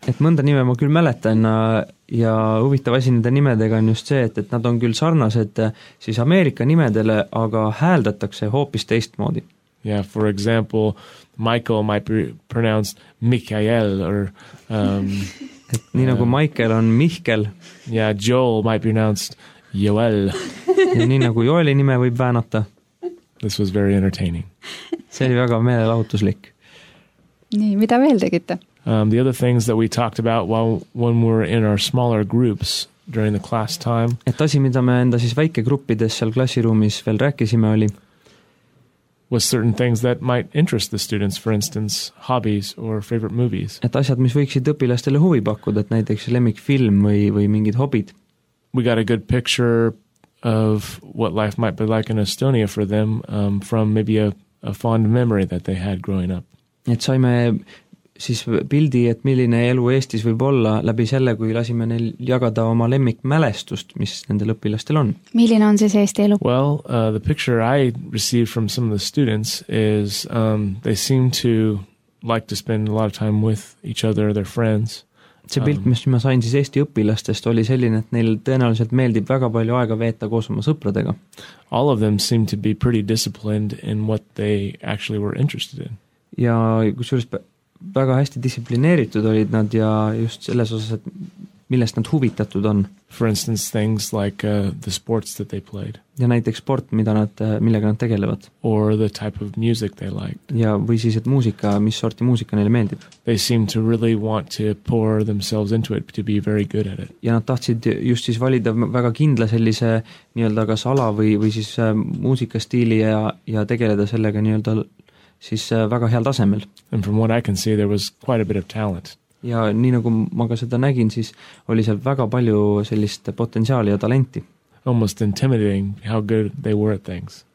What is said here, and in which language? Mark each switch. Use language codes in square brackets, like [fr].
[et] Et mõnda nime ma küll mäletan ja huvitav asi nende nimedega on just see, et nad on küll sarnased siis Ameerika nimedele, aga hääldatakse hoopis teistmoodi. [en] Yeah, for example, Michael might be pronounced Mikael or [et] Et nii nagu Michael on Mihkel. [en] Yeah, Joel might be pronounced Joel. [et] Ja nii nagu Joeli nime võib väänata. [en] This was very entertaining. [et] See oli väga meelelahutuslik. Nii, mida veel tegite? [en] The other things that we talked about while when we were in our smaller groups during the class time. [et] Et asi, mida me enda siis väike gruppides seal klassiruumis veel rääkisime, oli [en] was certain things that might interest the students, for instance, hobbies or favorite movies. [et] Et asjad, mis võiksid õpilastele huvi pakkuda, et näiteks lemmik film või mingid hobid. [en] We got a good picture of what life might be like in Estonia for them from maybe a fond memory that they had growing up. [et] Et saime siis pildi, et milline elu Eestis võib olla läbi selle, kui lasime neil jagada oma lemmik mälestust, mis nende õpilastel on. Milline on siis Eesti elu? [en] Well, the picture I received from some of the students is they seem to like to spend a lot of time with each other, their friends. [et] See pilt, mis ma sain siis Eesti õpilastest, oli selline, et neil tõenäoliselt meeldib väga palju aega veeta koos oma sõpradega. [en] All of them seem to be pretty disciplined in what they actually were interested in. [et] Ja kus juures väga hästi disiplineeritud olid nad ja just selles osas, et millest nad huvitatud on. [en] For instance, things like the sports that they played. [et] Ja näiteks sport, mida nad, millega nad tegelevad. [en] Or the type of music they liked. [et] Ja või siis, et muusika, mis sorti muusika neile meeldib. [en] They seem to really want to pour themselves into it, to be very good at it. [et] Ja nad tahtsid just siis valida väga kindla sellise nii-öelda kas ala või siis muusikastiili ja tegeleda sellega nii-öelda siis väga heal tasemel. [en] And from what I can see, there was quite a bit of talent. [et] Ja nii nagu ma ka seda nägin, siis oli seal väga palju sellist potentsiaali ja talenti. [en] Almost intimidating how good they were at things.